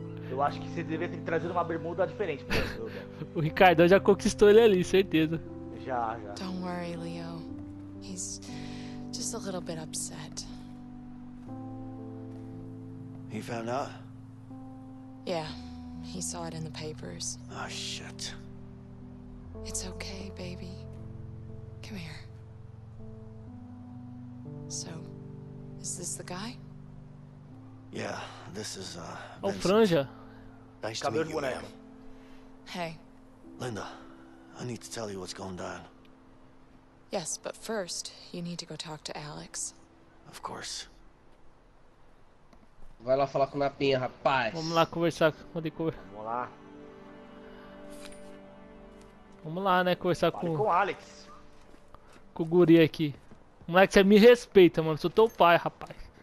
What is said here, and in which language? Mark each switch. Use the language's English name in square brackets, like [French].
[Portuguese] Eu acho que você deveria ter trazido uma bermuda diferente pra você. O Ricardo já conquistou ele ali, certeza. [English] Já. Don't worry, Leo. He's just a little bit upset. He found out? Yeah. He saw it in the papers. Oh, shit. It's okay, baby. Come here. So, is this the guy? Yeah, this is, Vincent. Franja. Nice to meet you, ma'am. Hey. Linda, I need to tell you what's going down. Yes, but first, you need to go talk to Alex. Of course. [Portuguese] Vai lá falar com o Napinha, rapaz. Vamos lá conversar com o Decor. Vamos lá, conversar com... Fale com o Alex. Com o guri aqui. Moleque, você me respeita, mano. Sou teu pai, rapaz.